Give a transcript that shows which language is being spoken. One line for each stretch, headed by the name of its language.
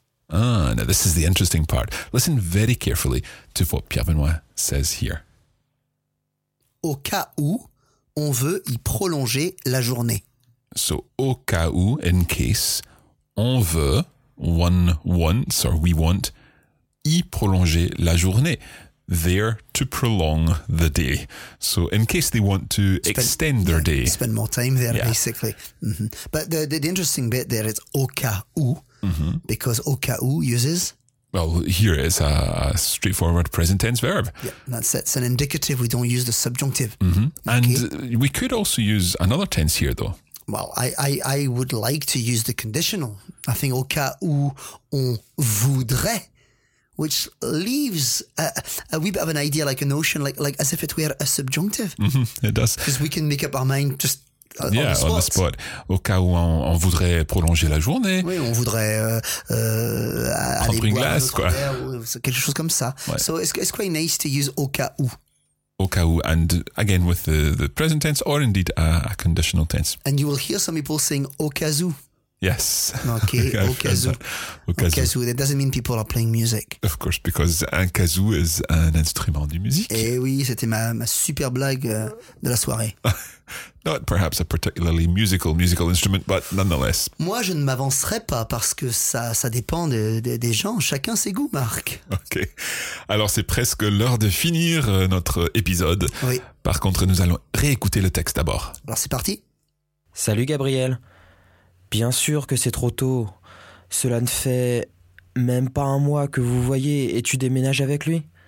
English: Ah, now this is the interesting part. Listen very carefully to what Pierre Benoît says here.
French: Au cas où on veut y prolonger la journée. So, au cas où,
English: in case,
French: on veut,
English: one wants or we want,
French: y prolonger la journée.
English: There to prolong the day. So, in case they want to extend their day. Spend more time there, basically. Mm-hmm. But the interesting bit there is au cas où. Mm-hmm. Because au cas où uses? Well, here it's a straightforward present tense verb. Yeah, that's it. It's an indicative. We don't use the subjunctive. Mm-hmm. Okay. And we could also use another tense here, though. Well, I would like to use the conditional. I think
French: au cas où on voudrait,
English: which leaves a wee bit of an idea, like a notion, like as if it were a subjunctive. Mm-hmm. It does. Because we can make up our mind just on the spot.
French: Au cas où on voudrait prolonger la journée. Oui, on voudrait aller boire une glace, quoi. Ou quelque chose comme ça. Ouais.
English: So it's quite nice to use au cas où. Au cas où, and again with the present tense or indeed a conditional tense. And you will hear some people saying au cas où. Yes. Okay, au cas où. Au cas où. That doesn't mean people are playing music. Of course, because un cas où is an
French: instrument de musique. Et oui, c'était ma super blague de la soirée.
English: Not perhaps a particularly musical instrument, but nonetheless.
French: Moi, je ne m'avancerai pas parce que ça dépend des gens. Chacun ses goûts, Marc. Ok. Alors, c'est presque l'heure de finir notre épisode. Oui. Par contre, nous allons réécouter le texte d'abord. Alors, c'est parti. Salut, Gabriel. Bien sûr que c'est trop tôt. Cela ne fait même pas un mois que vous voyez et tu déménages avec lui.